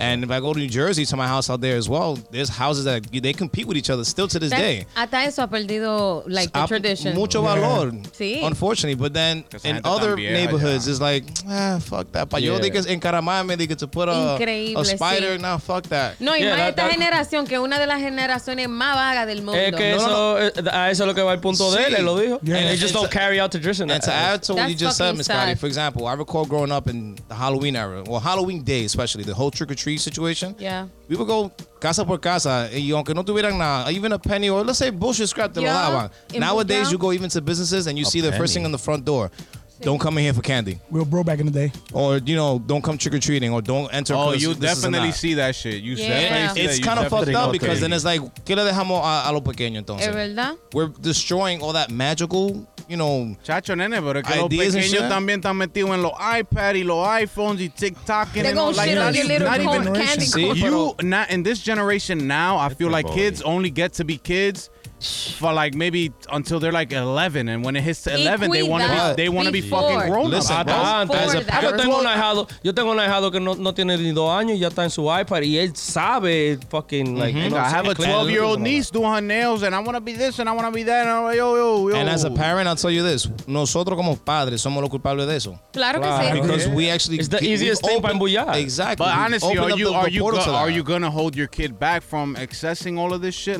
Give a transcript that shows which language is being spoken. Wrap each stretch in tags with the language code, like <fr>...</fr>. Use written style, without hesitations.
<en>And if I go to New Jersey to my house out there as well, there's houses that they compete with each other still to this day.</en> <es>Hasta eso ha perdido,</es> <en>like, the tradition.</en> <es>Mucho valor,</es> <en>unfortunately. But then in other neighborhoods, it's like, fuck that.</en> <es>Pa' yo,</es> <en>they get encaramame, they get to put a spider.</en> <es>Sí.</es> <en>Nah, fuck that.</en> <es>No, y más esta generación, que una de las generaciones más vagas del mundo. Es que a eso es lo que va el punto de él, lo dijo.</es> <en>And they just don't carry out tradition. And to add to what you just said, Miss Scotty, for example, I recall growing up in the Halloween era. Well, Halloween day, especially the whole trick or treat situation. Yeah, we would go</en> <es>casa por casa, y aunque no tuvieran nada,</es> <en>even a penny or let's say bullshit scrap. Yeah. Nowadays, Montreal? You go even to businesses and you see the first thing on the front door. Don't come in here for candy. We were broke back in the day. Or, you know, don't come trick-or-treating or don't enter. Oh, you definitely see that shit. You It's kind of fucked up because then it's like,</en> <es>¿qué le dejamos a los pequeños entonces? ¿Es verdad?</es> <en>We're destroying all that magical, you know,</en> <es>chacho, nene, pero que los pequeños también están metidos en los iPads y los iPhones y TikTok.</es> <en>They're going to shit on your little not even candy. See, in this generation now, I feel like kids only get to be kids for like maybe until they're like 11, and when it hits 11, they want to be fucking grown. Listen,</en> <es>yo tengo un ahijado que no tiene ni 2 años y ya está en su iPad y él sabe</es> <en>fucking like. Mm-hmm. I have a 12-year-old niece doing her nails, and I want to be this and I want to be that. And I'm like, yo. And as a parent, I'll tell you this:</en> <es>nosotros como padres somos los culpables de eso. Claro que sí.</es> <en>Because we actually it's the easiest thing to embullar. Exactly. But honestly, are you gonna hold your kid back from accessing all of this shit?</en>